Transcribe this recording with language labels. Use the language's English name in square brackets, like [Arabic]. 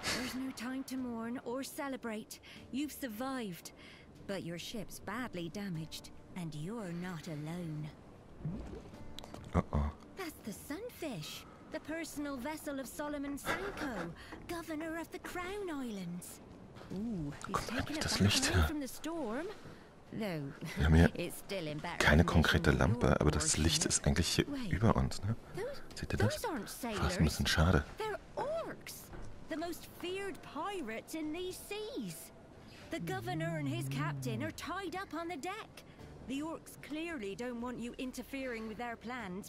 [English] There's no time to mourn or celebrate. You've survived, but your ship's badly damaged, and you're not alone. Uh-oh. That's the Sunfish, the personal vessel of Solomon Sanko, governor of the Crown Islands. Ooh, he's taken it back away from the storm. [German] Wir haben hier keine konkrete Lampe, aber das Licht ist eigentlich hier über uns, ne? Seht ihr das? Fast ein bisschen schade. [English] Orks, the most feared pirates in these seas. The governor and his captain are tied up on the deck. The orks clearly don't want you interfering with their plans.